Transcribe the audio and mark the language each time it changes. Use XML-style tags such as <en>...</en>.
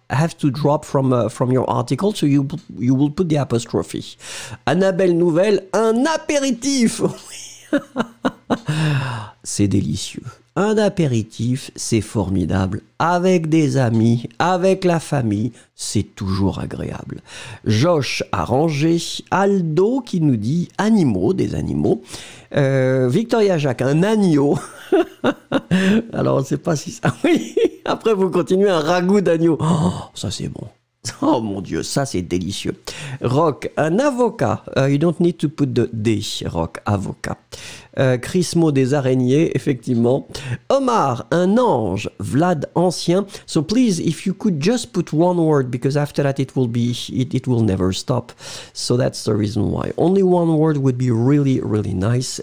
<en>I have to drop from your article, so you will put the apostrophe.</en> <fr>Annabelle Nouvelle, un apéritif. C'est délicieux. Un apéritif, c'est formidable. Avec des amis, avec la famille, c'est toujours agréable. Josh a rangé. Aldo qui nous dit animaux, des animaux. Victoria Jacques, un agneau. Alors, c'est pas si ça. Oui, après, vous continuez un ragoût d'agneau. Oh, ça, c'est bon. Oh mon Dieu, ça c'est délicieux. Rock, un avocat.</fr> <en>You don't need to put the D, Rock, avocat.</en> <fr>Chrismo, des araignées, effectivement. Omar, un ange. Vlad, ancien.</fr> <en>So please, if you could just put one word, because after that it will never stop. So that's the reason why. Only one word would be really, really nice.</en>